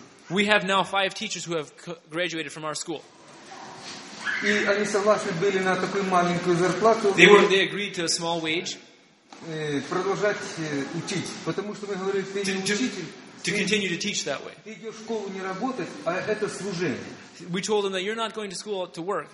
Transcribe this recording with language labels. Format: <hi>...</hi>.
<en>We have now 5 teachers who have graduated from our school.</en> <ru>И они согласны были на такую маленькую зарплату.</ru> <en>They agreed to a small wage.</en> <ru>Продолжать учить, потому что мы говорили, ты не учитель.</ru> <en>To continue to teach that way. We told them that you're not going to school to work.</en>